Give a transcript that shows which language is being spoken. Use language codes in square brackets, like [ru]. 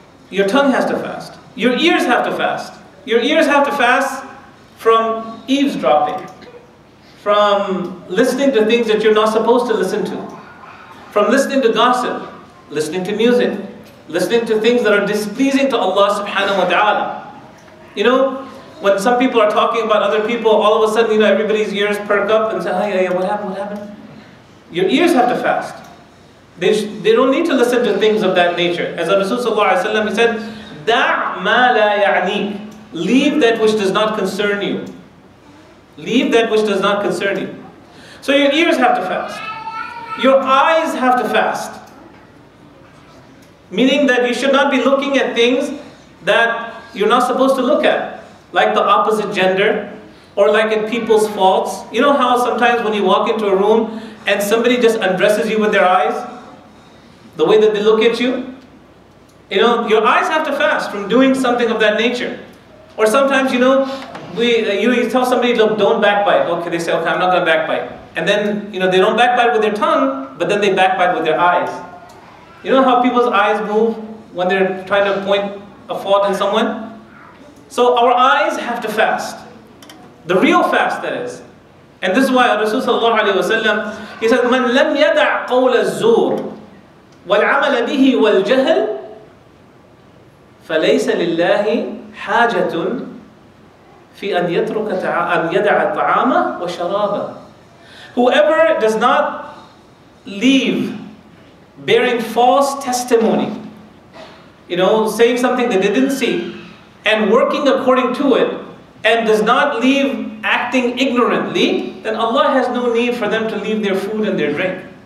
[en] Your tongue has to fast. Your ears have to fast. Your ears have to fast from eavesdropping, from listening to things that you're not supposed to listen to, from listening to gossip, listening to music, listening to things that are displeasing to Allah subhanahu wa ta'ala. You know, when some people are talking about other people, all of a sudden, you know, everybody's ears perk up and say, oh, yeah, what happened? Your ears have to fast. They don't need to listen to things of that nature. As Rasul ﷺ, he said, [ar] دَعْ مَا لَا يَعْنِيكَ. [en] Leave that which does not concern you. Leave that which does not concern you. So your ears have to fast. Your eyes have to fast. Meaning that you should not be looking at things that you're not supposed to look at. Like the opposite gender, or like at people's faults. You know how sometimes when you walk into a room and somebody just undresses you with their eyes? The way that they look at you? You know, your eyes have to fast from doing something of that nature. Or sometimes, you know, you tell somebody, look, don't backbite. Okay, they say, okay, I'm not going to backbite. And then, you know, they don't backbite with their tongue, but then they backbite with their eyes. You know how people's eyes move when they're trying to point a fault in someone? So our eyes have to fast. The real fast, that is. And this is why Rasul sallallahu alayhi wa sallam, he said, [ar] مَنْ لَمْ يَدَعْ قَوْلَ الزُّورِ وَالْعَمَلَ بِهِ وَالْجَهْلِ فَلَيْسَ لِلَّهِ حَاجَةٌ فِي أَنْ يَتْرُكَ أَنْ يَدَعَ الطَّعَامَ وَشَرَابَ. [en] Whoever does not leave bearing false testimony, you know, saying something that they didn't see, and working according to it, and does not leave acting ignorantly, then Allah has no need for them to leave their food and their drink.